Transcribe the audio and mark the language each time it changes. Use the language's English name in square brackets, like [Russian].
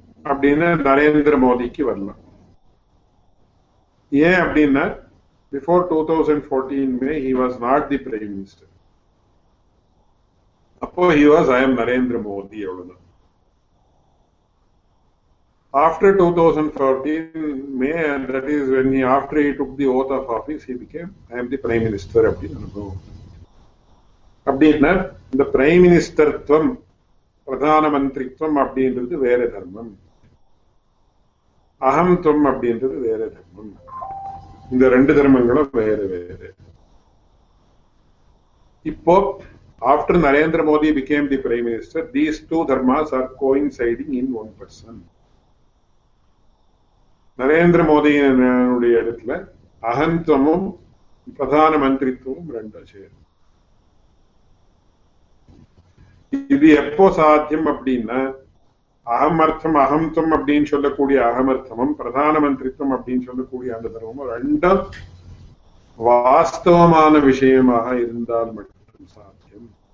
[Tamil] அப்படின்னா நரேந்திர மோடிக்கு வரலாம். ஏன் அப்படின்னா, [English] Before 2014 May he was not the prime minister. அப்போ he was I am Narendra Modi அவ்வளவுதான். After 2014 May, and that is when he, after he took the oath of office, he became, I am the Prime Minister. [Tamil] அப்படின்னா இந்த prime மினிஸ்டர்த்வம் பிரதான மந்திரித்வம் அப்படின்றது வேற தர்மம், அகம்த்வம் அப்படின்றது வேற தர்மம். இந்த ரெண்டு தர்மங்களும் வேற வேற. [English] இப்போ after Narendra Modi became the Prime Minister, these two dharmas are coinciding in one person. [Tamil] Narendra மோடியினுடைய இடத்துல அகந்தமும் பிரதான மந்திரித்துவமும் ரெண்டும் சேரும். இது எப்போ சாத்தியம் அப்படின்னா, அகமர்த்தம் அகந்தம் அப்படின்னு சொல்லக்கூடிய அகமர்த்தமும் பிரதான மந்திரித்துவம் அப்படின்னு சொல்லக்கூடிய அந்த தர்மமும் ரெண்டும் வாஸ்தவமான விஷயமாக இருந்தால் மட்டும் சாத்தியம்.